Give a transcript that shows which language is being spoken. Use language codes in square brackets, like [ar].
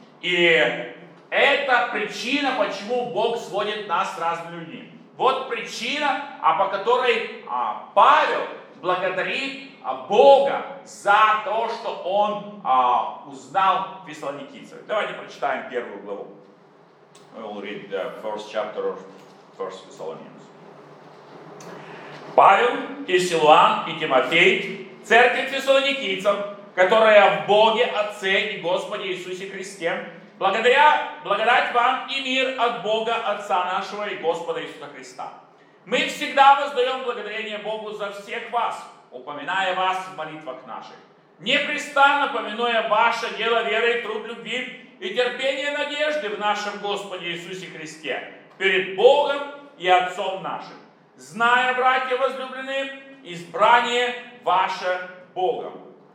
[ru] И это причина, почему Бог сводит нас с разными людьми. Вот причина, по которой Павел благодарит Бога за то, что он узнал фессалоникийцев. Давайте прочитаем первую главу. [en] We'll read the first chapter of First Thessalonians. [ru] Павел и Силуан и Тимофей, церкви фессалоникийцев, которая в Боге Отце и Господе Иисусе Христе, благодаря благодать вам и мир от Бога Отца нашего и Господа Иисуса Христа. Мы всегда воздаем благодарение Богу за всех вас, упоминая вас в молитвах наших, непрестанно поминуя ваше дело веры и труд любви и терпение надежды в нашем Господе Иисусе Христе перед Богом и Отцом нашим, зная, братья возлюбленные, избрание ваше Богом.